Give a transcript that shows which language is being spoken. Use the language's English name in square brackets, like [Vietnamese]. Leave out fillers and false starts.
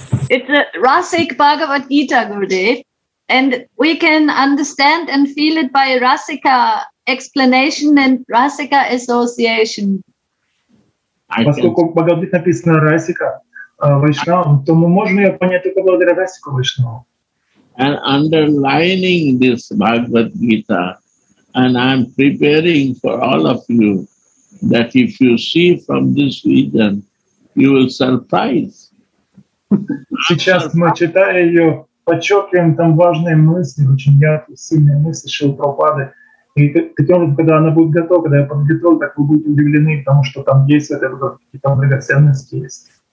[English] It's a rasic Bhagavad Gita, Gurudev, and we can understand and feel it by rasika explanation and rasika association. [Russian] Поскольку Bhagavad Gita написано расика вайшнавам, то мы можем ее понять только благодаря расику вайшнавам. [English] And underlining this Bhagavad Gita, and I'm preparing for all of you. That if you see from this region, you will surprise. [Russian] Сейчас мы читая ее, подчеркиваем там важные мысли, очень яркие, сильные мысли Шрилы Прабхупады. И таким образом, когда она будет готова, когда я подготовлю, так вы будете удивлены, потому что там есть какие-то драгоценности есть.